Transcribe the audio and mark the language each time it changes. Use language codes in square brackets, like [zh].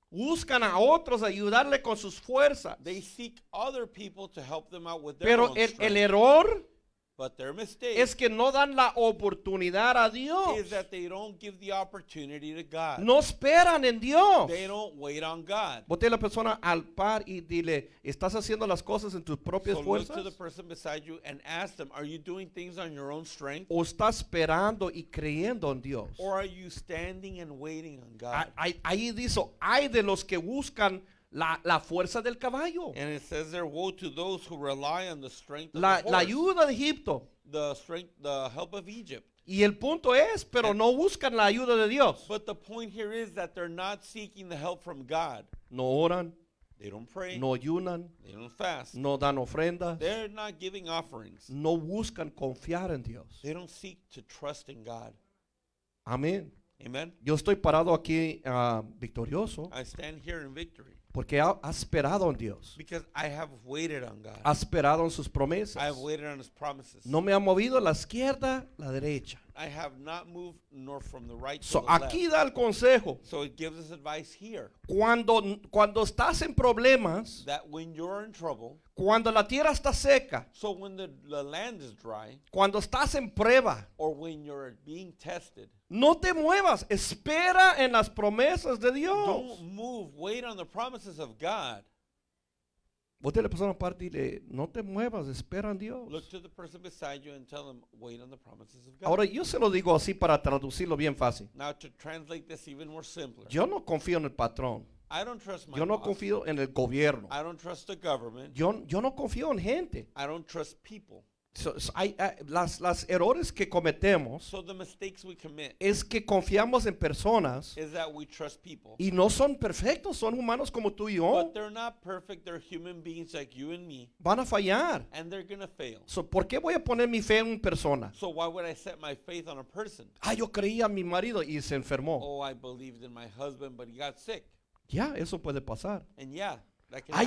[es] buscan a otros ayudarle con sus fuerzas, [en] they seek other people to help them out with their [es] pero [en] own strengths. [es] Pero el error, [en] but their mistake, [es] es que no dan la oportunidad a Dios, [en] is that they don't give the opportunity to God, [es] no esperan en Dios, [en] they don't wait on God. [es] Voltea a la persona al par y dile, ¿estás haciendo las cosas en tus propias [en] so [es] fuerzas? [en] So look to the person beside you and ask them, are you doing things on your own strength? [es] ¿O estás esperando y creyendo en Dios? [en] Or are you standing and waiting on God? [es] Ahí dice, hay de los que buscan la fuerza del caballo. [en] And it says there, woe to those who rely on the strength [es] la, [en] of the horse. [es] La ayuda de Egipto. [en] The strength, the help of Egypt. [es] Y el punto es, pero and no buscan la ayuda de Dios. [en] But the point here is that they're not seeking the help from God. [es] No oran. [en] They don't pray. [es] No ayunan. [en] They don't fast. [es] No dan ofrendas. [en] They're not giving offerings. [es] No buscan confiar en Dios. [en] They don't seek to trust in God. [es] Amén. [en] Amen. [es] Yo estoy parado aquí victorioso. [en] I stand here in victory. [es] Porque ha esperado en Dios. [en] Because I have waited on God. [es] Ha esperado en sus promesas. [en] I have waited on his promises. [es] No me ha movido la izquierda, la derecha. [en] I have not moved nor from the right so to the [es] aquí [en] left. [es] Da el consejo. [en] So it gives us advice here. [es] Cuando estás en problemas. [en] That when you're in trouble. [es] Cuando la tierra está seca. [en] So when the land is dry. [es] Cuando estás en prueba. [en] Or when you're being tested. [es] No te muevas. Espera en las promesas de Dios. [en] Don't move. Wait on the promises of God. [es] Voltea a la persona aparte y dile, no te muevas, espera en Dios. [en] Look to the person beside you and tell them, wait on the promises of God. [es] Ahora yo se lo digo así para traducirlo bien fácil. [en] Now to translate this even more simpler. [es] Yo no confío en el patrón. [en] I don't trust my [es] yo no [en] boss. [es] Confío en el gobierno. [en] I don't trust the government. [es] Yo no confío en gente. [en] I don't trust people. [es] Las errores que cometemos [en] so the mistakes we commit [es] es que confiamos en personas [en] is that we trust people. [es] Y no son perfectos, son humanos como tú y yo. [en] But they're not perfect, they're human beings like you and me. [es] Van a fallar. [en] And they're gonna fail. [es] So, ¿por qué voy a poner mi fe en una persona? [en] So why would I set my faith on a person? [es] Ah, yo creía en mi marido y se enfermó. [en] Oh, I believed in my husband, but he got sick. [es] Yeah, eso puede pasar. [en] And yeah, that can happen.